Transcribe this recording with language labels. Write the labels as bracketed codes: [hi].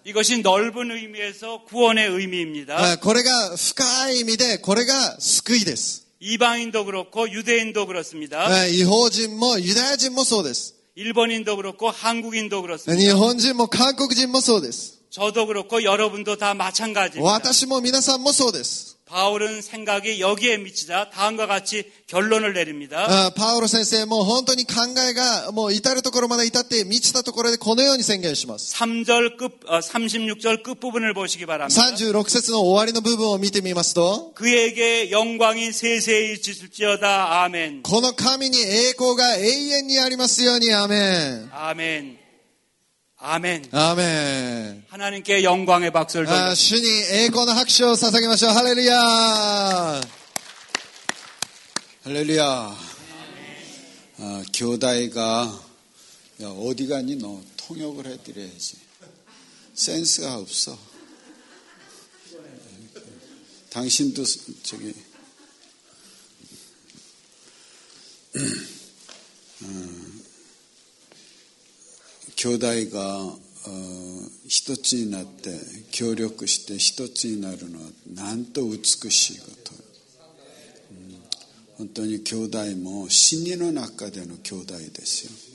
[ko] 이것이 넓은 의미에서 구원의 의미입니다. [ja] これが深い意味でこれが救いです. [ko] 이방인도 그렇고 유대인도 그렇습니다. 이방인도 유대인도 [ja] そうです. [ko] 일본인도 그렇고 한국인도 그렇습니다. [ja] 日本人も韓国人もそうです. [ko] 저도 그렇고 여러분도 다 마찬가지입니다. [ja] 私も皆さんもそうです. [ko] 바울은 생각이 여기에 미치자 다음과 같이 결론을 내립니다. [ja] 바울先生も本当に考えがもう至るところまで至って満ちたところでこのように宣言します. [ko] 3절 끝, 36절 끝부분을 보시기 바랍니다. [ja] 36節の終わりの部分を見てみますと [ko] 그에게 영광이 세세히 있을지어다. 아멘. [ja] この神に栄光が永遠にありますように. [ko] 아멘. 아멘. 아멘. 아멘. 하나님께 영광의 박수를 돌려. 주님, 영광의 박수를 사상하십시오. 할렐루야. 할렐루야. 교대가 어디 가니 너 통역을 해드려야지. 센스가없어당신도저기교다이가 [ja] 一つになって協力して一つになるのはなんと美しいこと、うん、本当に兄弟も真理の中での兄弟です